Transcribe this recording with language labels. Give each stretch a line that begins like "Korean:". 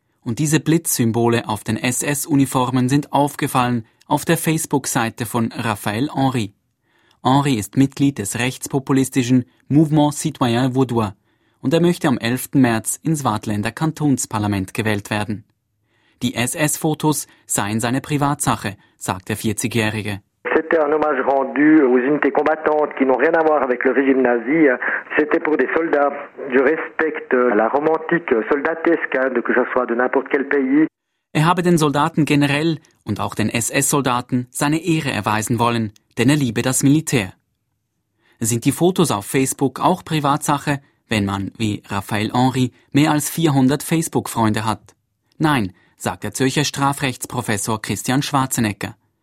German: Und diese Blitzsymbole auf den SS-Uniformen sind aufgefallen auf der Facebook-Seite von Raphael Henry. Henry ist Mitglied des rechtspopulistischen Mouvement Citoyen Vaudois. Und er möchte am 11. März ins Waadtländer Kantonsparlament gewählt werden. Die SS-Fotos seien seine Privatsache, sagt der 40-Jährige.
French: C'était un hommage rendu aux unités combattantes qui n'ont rien à voir avec le régime nazi. C'était pour des soldats. Je respecte la romantique soldatesque, de que ce soit de n'importe quel pays.
German: Er habe den Soldaten generell und auch den SS-Soldaten seine Ehre erweisen wollen, denn er liebe das Militär. Sind die Fotos auf Facebook auch Privatsache, wenn man, wie Raphael Henry, mehr als 400 Facebook-Freunde hat? Nein, sagt der Zürcher Strafrechtsprofessor Christian Schwarzenegger.